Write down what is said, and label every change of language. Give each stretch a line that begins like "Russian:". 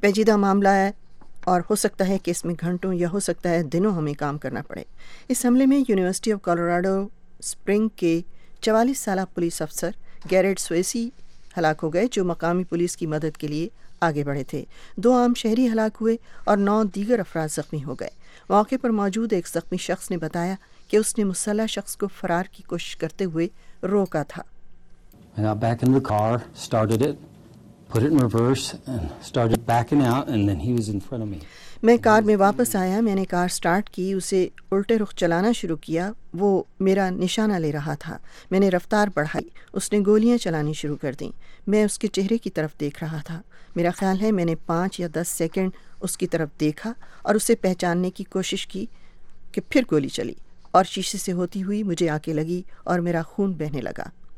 Urdu: پیچیدہ معاملہ ہے اور ہو سکتا ہے کہ اس میں گھنٹوں یا ہو سکتا ہے دنوں ہمیں کام کرنا پڑے۔ اس حملے میں یونیورسٹی آف کالوراڈو سپرنگ کے 44 سالہ پولیس افسر گیریٹ سویسی ہلاک ہو گئے، جو مقامی پولیس کی مدد کے لیے آگے بڑھے تھے۔ 2 عام شہری ہلاک ہوئے اور 9 دیگر افراد زخمی ہو گئے۔ موقع پر موجود ایک زخمی شخص نے بتایا کہ اس نے مسلح شخص کو فرار کی کوشش کرتے ہوئے روکا تھا۔
English: I got back in the car, started it, put it in reverse and started backing out and then he was in front of me.
Urdu: میں کار میں واپس آیا، میں نے کار سٹارٹ کی، اسے الٹے رخ چلانا شروع کیا، وہ میرا نشانہ لے رہا تھا، میں نے رفتار بڑھائی، اس نے گولیاں چلانی شروع کر دیں، میں اس کے چہرے کی طرف دیکھ رہا تھا، میرا خیال ہے میں نے 5 یا 10 سیکنڈ اس کی طرف دیکھا اور اسے پہچاننے کی کوشش کی کہ پھر گولی چلی اور شیشے سے ہوتی ہوئی مجھے آنکھیں لگی اور میرا خون بہنے لگا۔